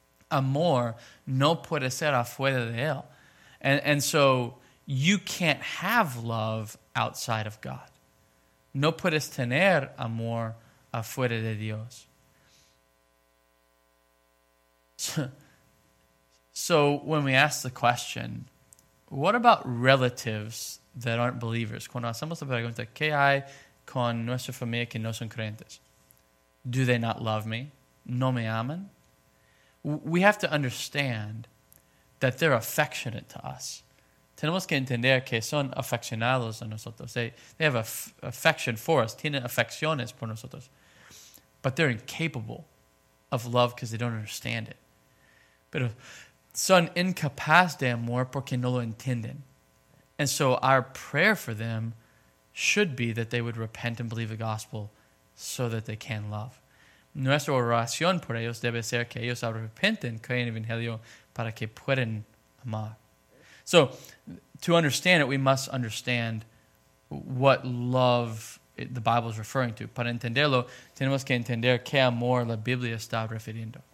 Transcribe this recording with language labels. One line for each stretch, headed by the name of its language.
Spanish: Amor no puede ser afuera de él.
English: And so you can't have love outside of God.
Spanish: No puedes tener amor afuera de Dios.
English: So when we ask the question, what about relatives that aren't believers?
Spanish: Cuando hacemos la pregunta, ¿qué hay con nuestra familia que no son creyentes?
English: Do they not love me?
Spanish: ¿No me aman?
English: We have to understand that they're affectionate to us.
Spanish: Tenemos que entender que son afeccionados a nosotros.
English: They have affection for us.
Spanish: Tienen afecciones por nosotros.
English: But they're incapable of love because they don't understand it.
Spanish: Pero son incapaz de amor porque no lo entienden.
English: And so our prayer for them should be that they would repent and believe the gospel so that they can love.
Spanish: Nuestra oración por ellos debe ser que ellos arrepienten, creen el evangelio para que puedan amar.
English: So, to understand it, we must understand what love the Bible is referring to.
Spanish: Para entenderlo, tenemos que entender qué amor la Biblia está refiriendo.